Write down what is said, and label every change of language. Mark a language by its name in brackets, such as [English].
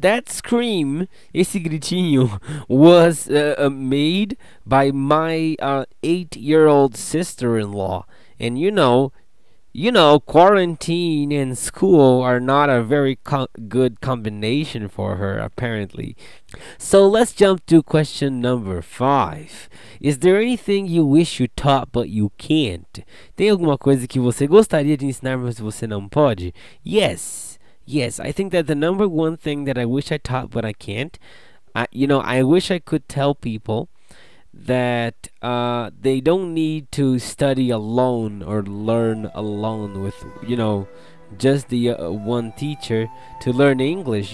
[English] That scream, [Portuguese] esse gritinho, [English] was made by my 8-year-old sister-in-law. And you know, quarantine and school are not a very good combination for her, apparently. So let's jump to question number 5. Is there anything you wish you taught but you can't? [Portuguese] Tem alguma coisa que você gostaria de ensinar, mas você não pode? [English] Yes. Yes, I think that the number one thing that I wish I taught but I can't, you know, I wish I could tell people that they don't need to study alone or learn alone with, you know, just the one teacher to learn English.